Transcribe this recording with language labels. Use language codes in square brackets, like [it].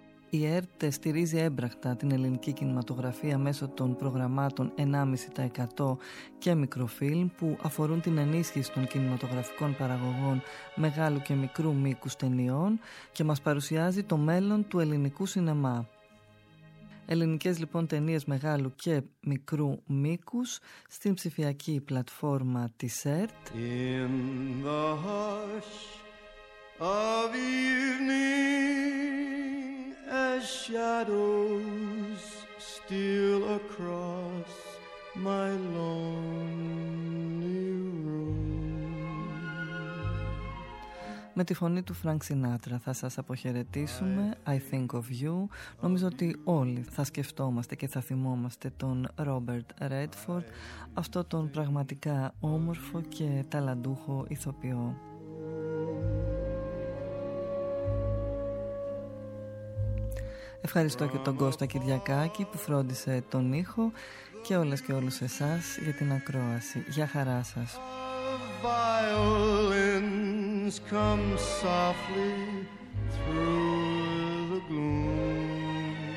[el] Η ΕΡΤ στηρίζει έμπρακτα την ελληνική κινηματογραφία μέσω των προγραμμάτων 1,5% και μικροφιλμ που αφορούν την ενίσχυση των κινηματογραφικών παραγωγών μεγάλου και μικρού μήκους ταινιών και μας παρουσιάζει το μέλλον του ελληνικού σινεμά. Ελληνικές λοιπόν ταινίες μεγάλου και μικρού μήκους στην ψηφιακή πλατφόρμα της ΕΡΤ. [en] In the hush of evening, as shadows steal across my lonely room. [el] Με τη φωνή του Frank Sinatra θα σας αποχαιρετήσουμε. [en] I think of you. [el] Νομίζω ότι όλοι θα σκεφτόμαστε και θα θυμόμαστε τον Robert Redford, αυτό τον πραγματικά όμορφο και ταλαντούχο ηθοποιό. Ευχαριστώ και τον Κώστα Κυριακάκη που φρόντισε τον ήχο και όλες και όλους εσάς για την ακρόαση. Για χαρά σας. [en] Violins come softly through the gloom.